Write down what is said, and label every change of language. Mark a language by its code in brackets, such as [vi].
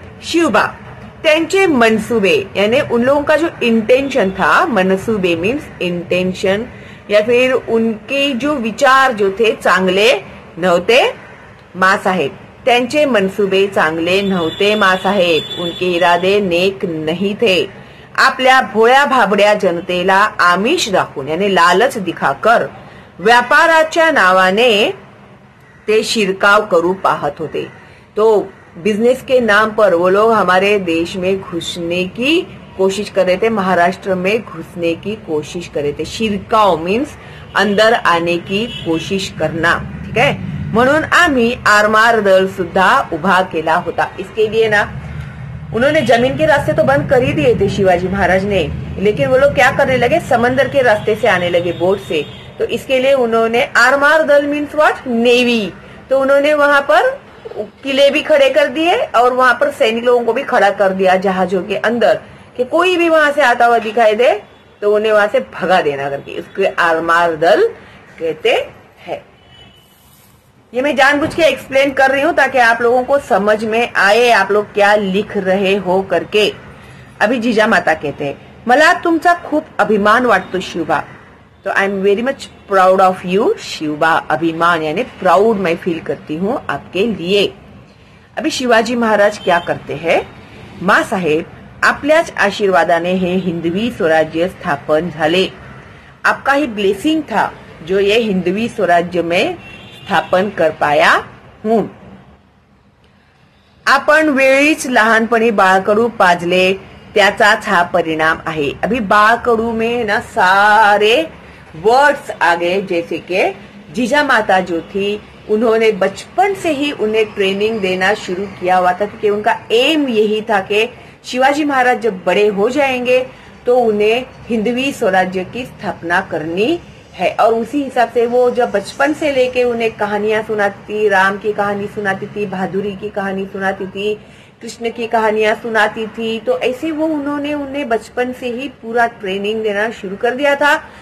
[mr] शिवा त्यांचे मनसुबे, [hi] यानी उन लोगों का जो इंटेंशन था, मनसुबे मीन्स इंटेंशन, या फिर उनके जो विचार जो थे [mr] चांगले नव्हते माँ साहेब, [hi] त्यांचे मनसुबे चांगले नव्हते माँ साहेब, उनके इरादे नेक नहीं थे। [mr] आपल्या भोळ्या भाबड्या जनतेला आमिष दाखवून, [hi] यानी लालच दिखाकर [mr] व्यापाराच्या नावाने ते शिरकाव करू पाहत होते। [hi] तो बिजनेस के नाम पर वो लोग हमारे देश में घुसने की कोशिश कर रहे थे, महाराष्ट्र में घुसने की कोशिश कर रहे थे। शिरकाव मीन्स अंदर आने की कोशिश करना, ठीक है। [mr] म्हणून आम्ही आरमार दल सुद्धा उभा केला होता। [hi] इसके लिए ना उन्होंने जमीन के रास्ते तो बंद कर ही दिए थे शिवाजी महाराज ने, लेकिन वो लोग क्या करने लगे, समंदर के रास्ते से आने लगे, बोट से। तो इसके लिए उन्होंने आरमार दल मीन्स व्हाट, नेवी, तो उन्होंने वहां पर किले भी खड़े कर दिए और वहां पर सैनिक लोगों को भी खड़ा कर दिया जहाजों के अंदर, कि कोई भी वहां से आता हुआ दिखाई दे तो उन्हें वहां से भगा देना करके, इसको आरमार दल कहते हैं। ये मैं जानबूझ के एक्सप्लेन कर रही हूँ ताकि आप लोगों को समझ में आए आप लोग क्या लिख रहे हो करके। अभी जीजा माता कहते हैं, [mr] मला तुमचा खूप अभिमान वाटतो शिवबा, [hi] तो [en] I am very much proud of you Shivba, [hi] अभिमान यानी प्राउड मैं फील करती हूँ आपके लिए। अभी शिवाजी महाराज क्या करते हैं, [mr] माँ साहेब आपल्याच आशीर्वादाने हे हिंदवी स्वराज्य स्थापन झाले, [hi] आपका ही ब्लेसिंग था जो ये हिंदवी स्वराज्य में स्थापन कर पाया हूँ। [mr] आपण वेळीच लहानपणी बाळकडू पाजले त्याचाच हा परिणाम आहे। [hi] अभी बाळकडू में ना सारे वर्ड्स आ गए, जैसे के जीजा माता जो थी उन्होंने बचपन से ही उन्हें ट्रेनिंग देना शुरू किया हुआ था, क्योंकि उनका एम यही था कि शिवाजी महाराज जब बड़े हो जाएंगे तो उन्हें हिंदवी स्वराज्य की स्थापना करनी है, और उसी हिसाब से वो जब बचपन से लेके उन्हें कहानियां सुनाती, राम की कहानी सुनाती थी, बहादुरी की कहानी सुनाती थी, कृष्ण की कहानियां सुनाती थी, तो ऐसे वो उन्होंने उन्हें बचपन से ही पूरा ट्रेनिंग देना शुरू कर दिया था।